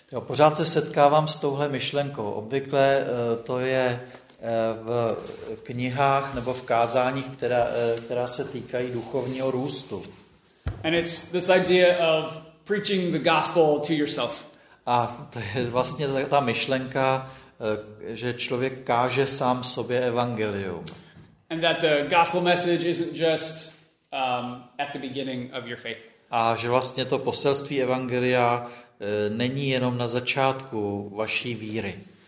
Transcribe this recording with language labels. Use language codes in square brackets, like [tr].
[cs] Jo, pořád se setkávám s touhle myšlenkou. Obvykle to je v knihách nebo v kázáních, která se týkají duchovního růstu. [en] And it's this idea of preaching the gospel to yourself. [cs] A to je vlastně ta myšlenka, že člověk káže sám sobě evangelium. [en] And that the gospel message isn't just at the beginning of your faith. [cs] A že vlastně to poselství evangelia není jenom na začátku vaší víry.